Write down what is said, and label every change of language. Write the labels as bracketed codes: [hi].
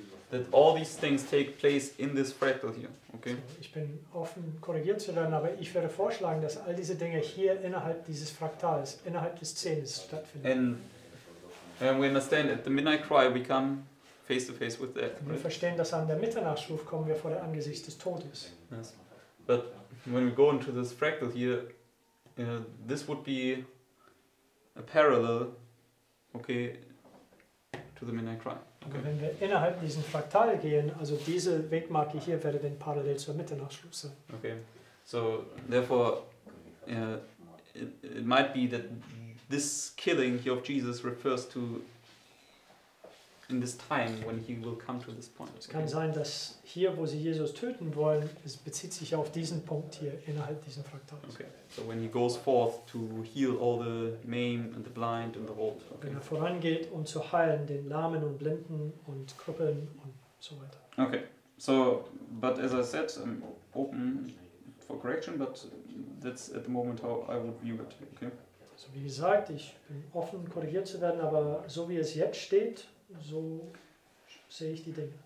[en] that all these things take place in this fractal here. Okay. [de] So, ich bin offen, korrigiert zu werden, aber ich würde vorschlagen, dass all diese Dinge hier innerhalb dieses Fraktals, innerhalb des Zehns stattfinden. [en] And we understand at the midnight cry we come face to face with death. [de] Wir verstehen, dass an der Mitternachtsruf kommen wir vor der Angesicht des Todes. [en] Yes. But when we go into this fractal here, this would be a parallel, okay, to the midnight cry. Okay. [de] Wenn wir innerhalb diesen Fraktal gehen, also diese Wegmarke hier, wäre dann parallel zur Mitternachtsschluss. [en] Okay, so therefore, it might be that this killing here of Jesus refers to in this time when he will come to this point. [de] Es kann sein, dass hier, wo sie Jesus töten wollen, es bezieht sich auf diesen Punkt hier innerhalb diesen Fraktals. [en] Okay, so when he goes forth to heal all the maimed and the blind and the old. Okay. [de] Wenn er vorangeht, um zu heilen, den Lahmen und Blinden und Krüppeln und so weiter. [en] Okay, so, but as I said, I'm open for correction, but that's at the moment how I would view it. Okay. [de] So wie gesagt, ich bin offen, korrigiert zu werden, aber so wie es jetzt steht, so sehe ich die Dinge.